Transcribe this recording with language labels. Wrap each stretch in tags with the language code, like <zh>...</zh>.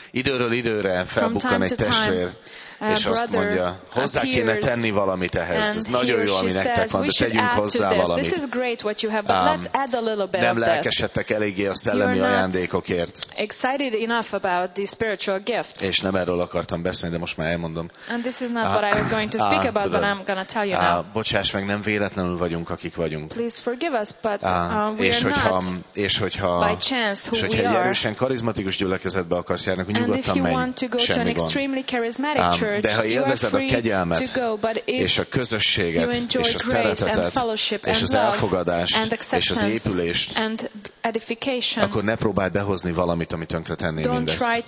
<hu>Időről időre felbukkan egy testvér, és azt mondja, hozzá kéne tenni valamit ehhez. Ez nagyon jó, ami nektek van, de tegyünk hozzá valamit.</hu> <en>This is great what you have, but let's add a little bit.</en> <hu>Nem lelkesedtek eléggé a szellemi ajándékokért.</hu> <en>Excited enough about the spiritual gift.</en> <hu>És nem erről akartam beszélni, de most már elmondom.</hu> <en>And this is not what I was going to speak about, but I'm going to tell you now.</en> <hu>Bocsáss meg, nem véletlenül vagyunk, akik vagyunk.</hu> <en>Please forgive us, but we are not. By chance, who we are.</en> <hu>És hogyha karizmatikus gyülekezetbe akarsz járni, akkor nyugodtan menj, semmi gond. De ha élvezed a kegyelmet, és a közösséget, és a szeretetet, és az elfogadást, és az épülést, akkor ne próbálj behozni valamit, amit tönkre tenné mindezt.</hu>